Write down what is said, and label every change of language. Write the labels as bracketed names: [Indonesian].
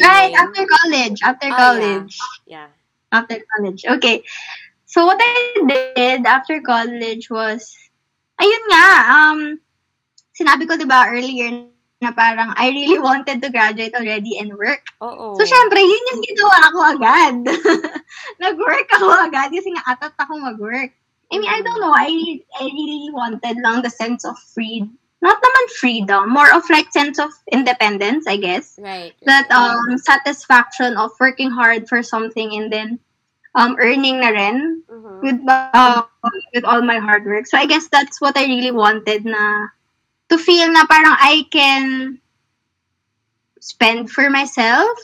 [English] Right, after college. After college. Yeah. After college. Okay. So what I did after college was, [Filipino] ayun nga, sinabi ko, diba, earlier na parang [English] I really wanted to graduate already and work. Uh-oh. [Filipino] So syempre, yun yung ginawa ako agad. Nag-work ako agad kasi nga atat ako mag-work. [English] I mean, I don't know, I really wanted lang the sense of freedom. Not naman freedom, more of like sense of independence, I guess. Right. That satisfaction of working hard for something and then earning na rin with all my hard work. So I guess that's what I really wanted na to feel na parang I can spend for myself.